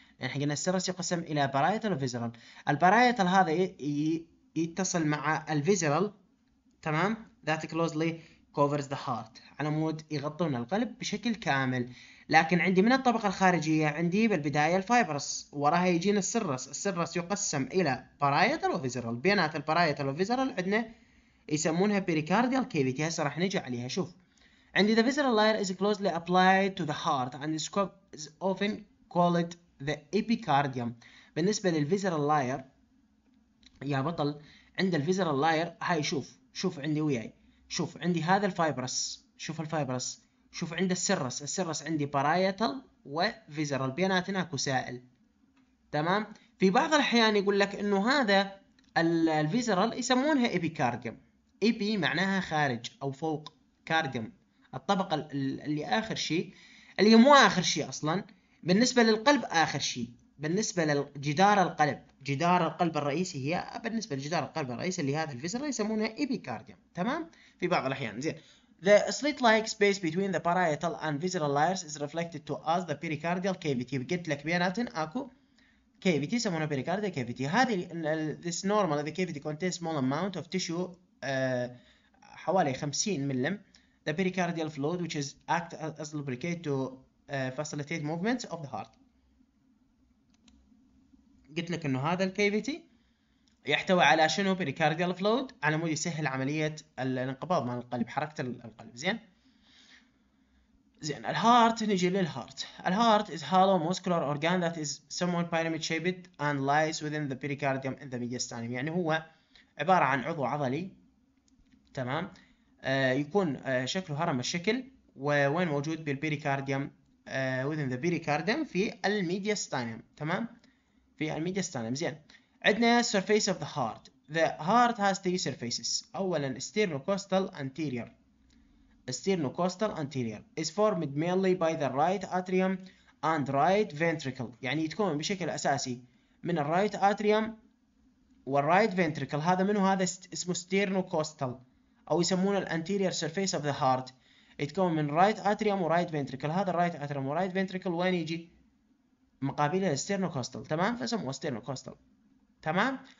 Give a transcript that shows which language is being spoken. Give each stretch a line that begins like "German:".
Arabic: يعني حقنا السيرس يقسم إلى بارايتال وفيزيرال. البارايتال هذا يتصل مع الفيزيرال، تمام،
English: that closely covers the heart،
Arabic: على مود يغطون القلب بشكل كامل. لكن عندي من الطبقة الخارجية عندي بالبداية الفايبرس، وراها يجينا السيرس. السيرس يقسم إلى بارايتال وفيزيرال، بينات البارايتال وفيزيرال عندنا يسمونها بيريكارديال كيفيتي. هسه راح نجي عليها. شوف عندي
English: the visceral layer is closely applied to the heart and is often called the epicardium.
Arabic: بالنسبة للvisceral layer يا بطل، عند الvisceral layer هاي شوف عندي وياي، شوف عندي هذا الفايبرس، شوف الفايبرس، شوف عند السرس، السرس عندي parietal وvisceral، بيناتنا كسائل، تمام. في بعض الأحيان يقول لك انه هذا الvisceral يسمونها epicardium. epi معناها خارج او فوق، cardium الطبقة اللي آخر شيء، اللي مو آخر شيء أصلاً بالنسبة للقلب، آخر شيء بالنسبة لجدار القلب، جدار القلب الرئيسي هي بالنسبة لجدار القلب الرئيسي اللي هذا الفيزرا يسمونها إبيكارديوم، تمام؟ في بعض الأحيان زين.
English: The slit-like space between the parietal and visceral layers is reflected to us the pericardial cavity.
Arabic: قلت لك بياناتن أكو cavity يسمونها pericardial cavity.
English: هذه this normal the cavity contains small amount of tissue
Arabic: حوالي 50 ملم.
English: The pericardial fluid which is act as lubricate to facilitate movements of the heart.
Arabic: قلت لك انه هذا الكيفيتي يحتوي على شنو؟ pericardial fluid، على مود يسهل عملية الانقباض من القلب، حركة القلب. زين الهارت، نجي للهارت.
English: الهارت is hollow muscular organ that is somewhat pyramid shaped and lies within the pericardium in the mediastinum.
Arabic: يعني هو عبارة عن عضو عضلي، تمام، يكون شكله هرم الشكل، ووين موجود؟ بالبيريكارديوم،
English: within the pericardium
Arabic: في الميدياستينيوم، تمام، في الميدياستينيوم. زين عندنا
English: surface of the heart. The heart has three surfaces. اولا sternocostal anterior. sternocostal anterior is formed mainly by the right atrium and right ventricle.
Arabic: يعني يتكون بشكل اساسي من الرايت اتريوم والرايت فنتريكل. هذا منه؟ هذا اسمه sternocostal، او يسمونه الانتيرير سيرفيس اوف ذا هارت. يتكون من رايت اتريوم ورايت فنتريكل. هذا الرايت اتريوم ورايت فنتريكل وين يجي؟ مقابل الاسترنوكوستال، تمام، فسموه استرنوكوستال، تمام.